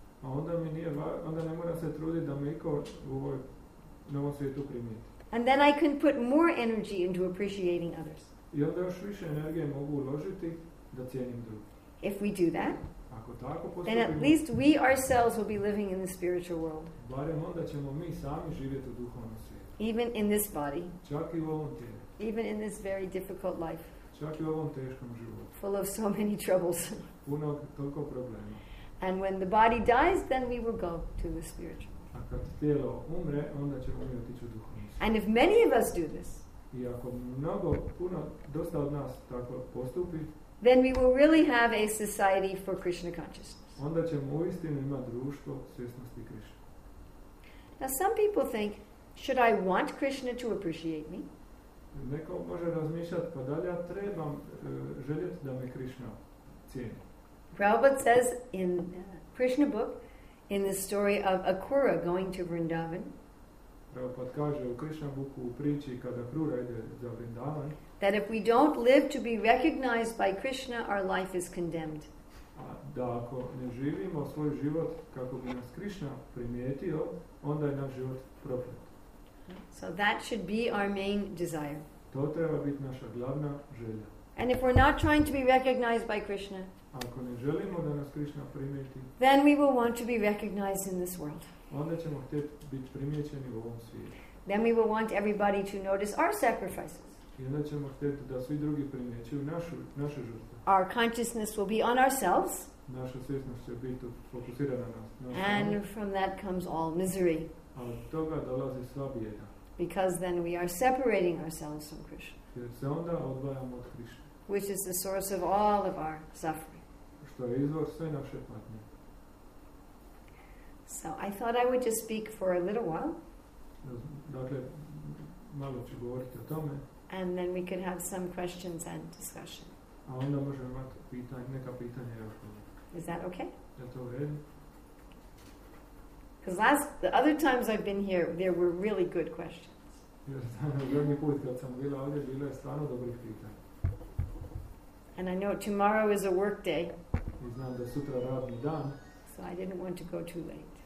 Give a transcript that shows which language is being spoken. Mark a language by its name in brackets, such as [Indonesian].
[Croatian] A onda mi nije onda ne moram se truditi da me iko u ovoj novom svijetu primijeti. [English] And then I can put more energy into appreciating others. [Croatian] I onda još više energije mogu uložiti da cijenim druge. [English] If we do that, [Croatian] ako tako postupimo, [English] then at least we ourselves will be living in the spiritual world. [Croatian] Barem onda ćemo mi sami živjeti u duhovnom svijetu. [English] Even in this body. [Croatian] Čak i u ovom tijelu. [English] Even in this very difficult life. [Croatian] Čak i u ovom teškom životu. [English] Full of so many troubles. [Croatian] Puno toliko problema. [English] And when the body dies, then we will go to the spiritual. [Croatian] A kad tijelo umre, onda ćemo mi otići u duhovni svijet. [English] And if many of us do this, [Croatian] i ako mnogo, puno, dosta od nas tako postupi, [English] then we will really have a society for Krishna consciousness. [Croatian] Onda ćemo uistinu imati društvo svjesnosti Krishna. [English] Now some people think, should I want Krishna to appreciate me? [Croatian] Neko može razmišljati, pa da li ja trebam željeti da me Krishna cijeni? [English] Prabhupada says in Krishna book, in the story of Akura going to Vrindavan. [Croatian] Prabhupada kaže u Krishna Buku u priči kada Krura ide za Vrindavan. [English] That if we don't live to be recognized by Krishna, our life is condemned. [Croatian] A da ako ne živimo svoj život kako bi nas Krishna primijetio, onda je naš život propao. [English] So that should be our main desire. [Croatian] To treba biti naša glavna želja. [English] And if we're not trying to be recognized by Krishna, [Croatian] ako ne želimo da nas Krishna primijeti, [English] then we will want to be recognized in this world. [Croatian] Onda ćemo htjeti biti primijećeni u ovom svijetu. [English] Then we will want everybody to notice our sacrifices. [Croatian] I onda ćemo htjeti da svi drugi primijećuju naše žrtve. [English] Our consciousness will be on ourselves. [Croatian] Naša svjesnost će biti fokusirana na nas. [English] And from that comes all misery. [Croatian] A od toga dolazi sva bijeda. [English] Because then we are separating ourselves from Krishna. [Croatian] Jer se onda odvajamo od Krishna. [English] Which is the source of all of our suffering. [Croatian] Što je izvor sve naše patnje. [English] So I thought I would just speak for a little while. [Croatian] Dakle, malo ću govoriti o tome. [English] And then we could have some questions and discussion. [Croatian] A onda možemo imati pitanje, neka pitanja još. [English] Is that okay? [Croatian] Je to u redu? [English] Because the other times I've been here, there were really good questions. [Croatian] Zadnji put kad sam bila ovdje, bilo je stvarno dobrih pitanja. [English] And I know tomorrow is a work day. [Croatian] I znam da sutra radni dan. [English] So I didn't want to go too late.